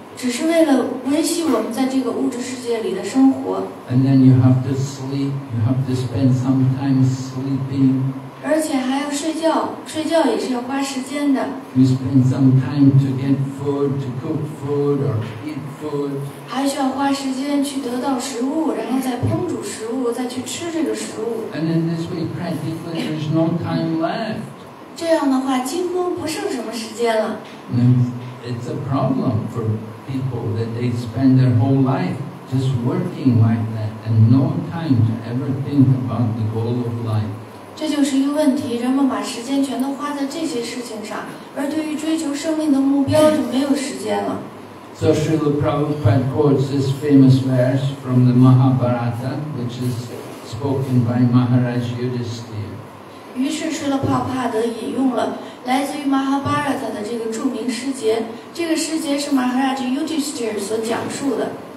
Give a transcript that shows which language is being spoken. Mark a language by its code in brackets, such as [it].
[zh] 只是为了维系我们在这个物质世界里的生活。 [en] And then you have to sleep, you have to spend some time sleeping. [zh] 而且还要睡觉，睡觉也是要花时间的。 [en] You spend some time to get food, to cook food or eat food. [zh] 还需要花时间去得到食物，然后再烹煮食物，再去吃这个食物。 [en] And in this way, practically, there's no time left. [zh] 这样的话，几乎不剩什么时间了。 [en] It's a problem for people that they spend their whole life just working like that and no time to ever think about the goal of life. [zh] 这就是一个问题，人们把时间全都花在这些事情上，而对于追求生命的目标就没有时间了。 [en] So Srila Prabhupada quotes this famous verse from the Mahabharata, which is spoken by Maharaj Yudhisthira. [zh] 于是施乐帕帕德引用了来自于 Mahabharata 的这个著名诗节，这个诗节是 Maharaj Yudhisthira 所讲述的。